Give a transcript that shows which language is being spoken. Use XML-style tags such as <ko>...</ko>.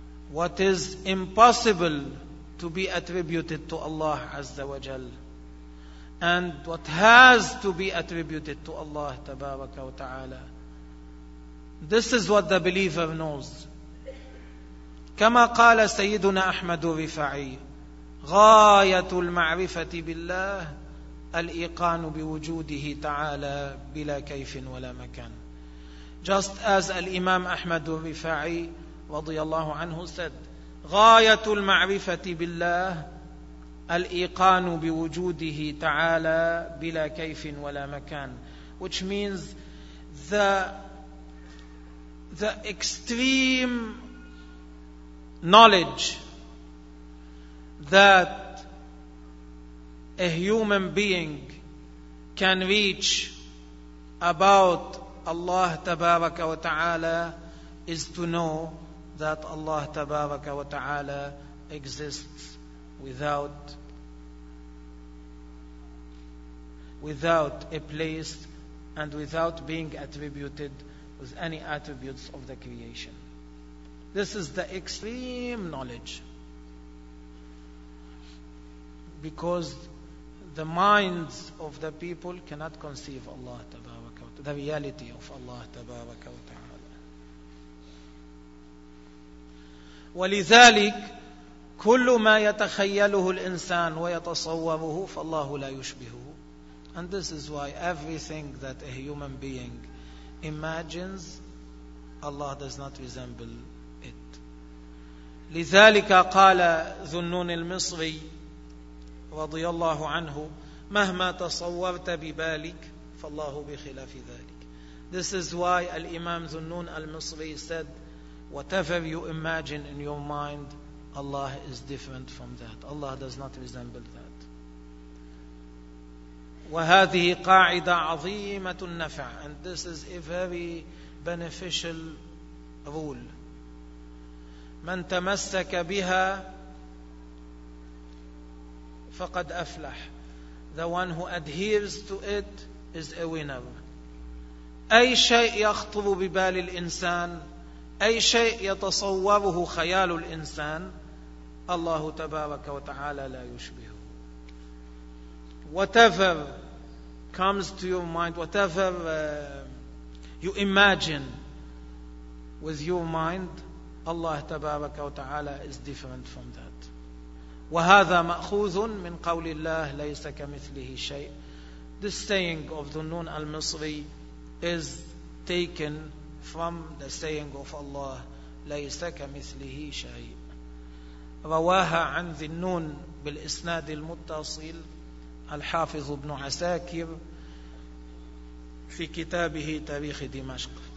<en>What is impossible to be attributed to Allah عز وجل. And what has to be attributed to Allah تبارك وتعالى. This is what the believer knows.</en> <ar>كما قال سيدنا أحمد الرفاعي غاية المعرفة بالله الإيقان بوجوده تعالى بلا كيف ولا مكان.</ar> <en>Just as</en> <ar>الإمام أحمد الرفاعي رضي الله عنه</ar> <en>said,</en> <ar>غاية المعرفة بالله الإيقان بوجوده تعالى بلا كيف ولا مكان.</ar> <en>Which means the extreme knowledge that a human being can reach about Allah تبارك وتعالى is to know that Allah تبارك وتعالى exists without a place and without being attributed with any attributes of the creation. This is the extreme knowledge, because the minds of the people cannot conceive Allah tabaraka wa ta'ala, the reality of Allah tabaraka wa ta'ala.</en> <ar>ولذلك كل ما يتخيله الإنسان ويتصوره فالله لا يشبهه.</ar> <en>And this is why everything that a human being imagines, Allah does not resemble it.</en> <ar>لذلك قال ذو النون المصري رضي الله عنه مهما تصورت ببالك فالله بخلاف ذلك.</ar> <en>This is why Al-Imam Zunnun Al-Misri said, whatever you imagine in your mind, Allah is different from that. Allah does not resemble that.</en> <ar>وهذه قاعدة عظيمة النفع.</ar> <en>And this is a very beneficial rule.</en> <ar>من تمسك بها فقد أفلح.</ar> <en>The one who adheres to it is a winner.</en> <ar>أي شيء يخطر ببال الإنسان, أي شيء يتصوره خيال الإنسان, الله تبارك وتعالى لا يشبه.</ar> <en>Whatever comes to your mind, whatever you imagine with your mind, Allah تبارك وتعالى is different from that.</en> <ar>وهذا مأخوذ من قول الله ليس كمثله شيء.</ar> <en>This saying of Dhunnun al-Misri is taken from the saying of Allah</en> <ar>ليس كمثله شيء. رواها عن ذي النون بالإسناد المتصل الحافظ ابن عساكر في كتابه تاريخ دمشق.</ar>